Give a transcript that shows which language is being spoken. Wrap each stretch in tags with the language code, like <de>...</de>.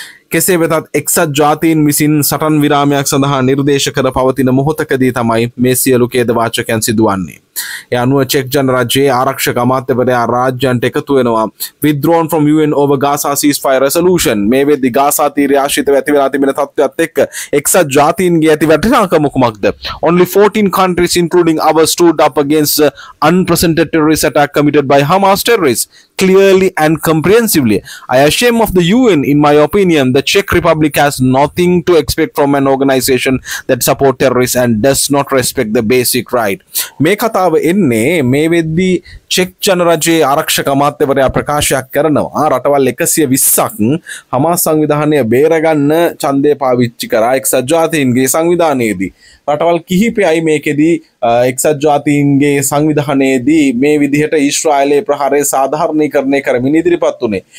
<si>කෙසේ වෙතත් එක්සත් ජාතීන් විසින් සටන් විරාමයක් සඳහා නිර්දේශ කර පවතින මොහොතකදී තමයි මේ සියලු ඛේදවාචකයන් සිදුවන්නේ. ඒ අනුව චෙක් ජනරාජයේ ආරක්ෂක අමාත්‍යවරයා රාජ්‍යන්ට එකතු වෙනවා</si> <en>withdrawn from UN over Gaza ceasefire resolution.</en> <si>මේ වෙද්දී ගාසා තීරය ආශ්‍රිතව ඇති වෙලා තිබෙන තත්ත්වයත් එක්ක එක්සත් ජාතීන්ගේ ඇති වැටනාකම කුමක්ද?</si> <en>Only 14 countries including our stood up against unprecedented terrorist attack committed by Hamas terrorists clearly and comprehensively. I ashamed of the UN. In my opinion, the Czech Republic has nothing to expect from an organization that support terrorists and does not respect the basic right.</en> <si>මේ කතාව එන්නේ මේ වෙද්දී check ජනරජයේ ආරක්ෂක අමාත්‍යවරයා ප්‍රකාශයක් කරනවා රටවල් 120ක් හමාස් සංවිධානය බේරගන්න ඡන්දය පාවිච්චි කරා එක්සත් ජාතීන්ගේ සංවිධානයේදී. රටවල් කිහිපයයි මේකෙදී එක්සත් ජාතීන්ගේ සංවිධානයේදී මේ විදිහට ඊශ්‍රායලයේ ප්‍රහාරය සාධාරණීකරණය කරමින් ඉදිරිපත් වුණේ.</si>